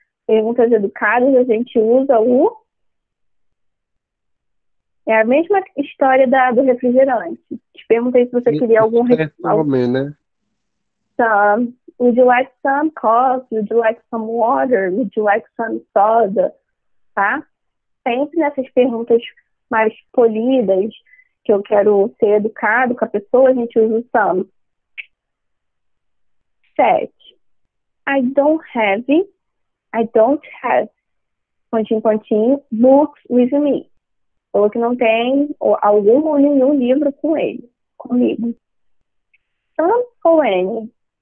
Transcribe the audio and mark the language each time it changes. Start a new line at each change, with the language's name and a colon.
Portuguese: Perguntas educadas, a gente usa o. É a mesma história do refrigerante. Te perguntei se você Me queria algum. serve também, né?
English: Would you like some coffee? Would you like some water? Would you like some soda?
Portuguese: Tá? Sempre nessas perguntas mais polidas, que eu quero ser educado com a pessoa, a gente usa o some. 7.
English: I don't have,
Portuguese: pontinho, pontinho,
English: books with me.
Portuguese: Falou que não tem algum ou nenhum livro com ele, comigo. Some ou any?